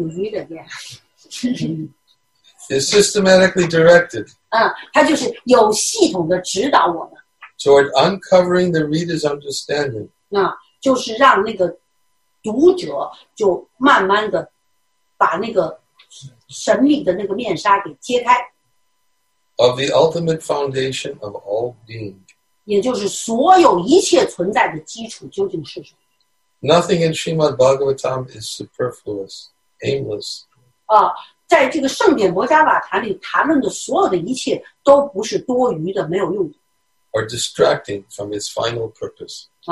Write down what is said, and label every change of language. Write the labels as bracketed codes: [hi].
[zh] 都有系统的，就是揭示了，有一点点。 [en] Is systematically directed [zh] 它就是有系统的指导我们 [en] toward uncovering the reader's understanding [zh] 就是让那个读者就慢慢的把那个神秘的那个面纱给揭开 [en] of the ultimate foundation of all being [zh] 也就是所有一切存在的基础究竟是什么 [en] Nothing in Srimad Bhagavatam is superfluous, aimless [zh] 在这个圣典摩迦瓦坛里谈论的所有的一切都不是多余的、没有用的 [en] or distracting from its final purpose